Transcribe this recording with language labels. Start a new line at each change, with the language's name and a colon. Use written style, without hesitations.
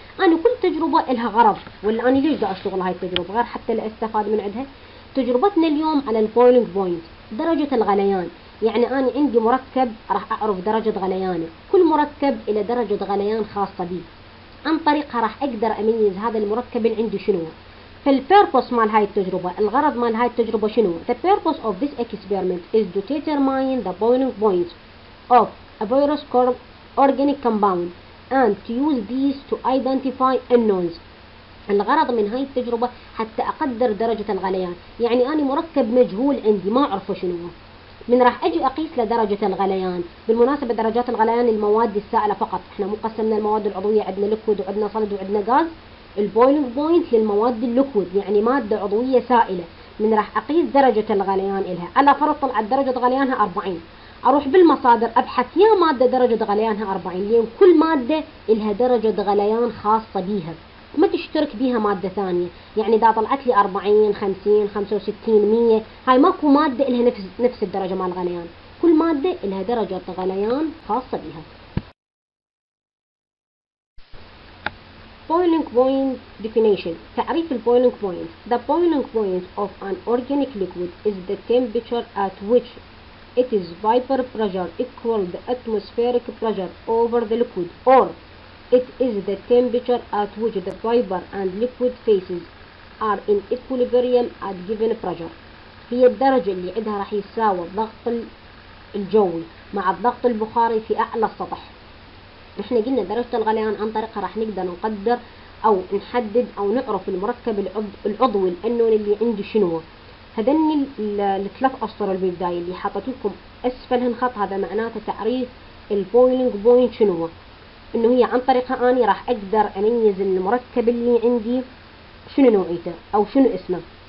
Arabic: انا كل تجربه لها غرض، ولا انا ليش بدي اشتغل هاي التجربه غير حتى لاستفاد من عندها؟ تجربتنا اليوم على البويلنج بوينت، درجه الغليان. يعني أنا عندي مركب راح أعرف درجة غليانه، كل مركب إلى درجة غليان خاصة بي، عن طريقها راح أقدر أميز هذا المركب اللي عندي شنو. فالبيربوس مال هاي التجربة، الغرض مال هاي التجربة شنو؟
English: The purpose of this experiment is to determine the boiling point of a virus organic compound and to use these to identify unknowns.
Arabic: الغرض من هاي التجربة حتى أقدر درجة الغليان، يعني أنا مركب مجهول عندي ما أعرفه شنو، من راح اجي اقيس لدرجة الغليان. بالمناسبة درجات الغليان المواد السائلة فقط، احنا مو قسمنا المواد العضوية، عندنا ليكويد وعندنا صلد وعندنا غاز. البويلنج بوينت للمواد الليكويد، يعني مادة عضوية سائلة، من راح اقيس درجة الغليان الها، انا فرض طلعت درجة غليانها 40، اروح بالمصادر ابحث يا مادة درجة غليانها 40، لان كل مادة الها درجة غليان خاصة بيها، ما تشترك بيها مادة ثانية، يعني إذا طلعت لي 40، 50، 65، 100، هاي ماكو مادة إلها نفس الدرجة مال الغليان، كل مادة إلها درجة غليان خاصة بها.
English: Boiling point definition،
Arabic: تعريف البويلينج بوينت.
English: The boiling point of an organic liquid is the temperature at which it is vapor pressure equal the atmospheric pressure over the liquid or it is the temperature at which the fiber and liquid phases are in equilibrium at given pressure.
Arabic: هي الدرجة اللي عندها راح يساوي الضغط الجوي مع الضغط البخاري في أعلى السطح. احنا قلنا درجة الغليان عن طريقها راح نقدر نقدر أو نحدد أو نعرف المركب العضوي الأنون اللي عنده شنو. هذني الثلاث أسطر بالبداية اللي حطيت لكم أسفل هالخط، هذا معناته تعريف البويلينج بوينت شنو، انه هي عن طريقها اني راح اقدر اميز المركب اللي عندي شنو نوعيته او شنو اسمه.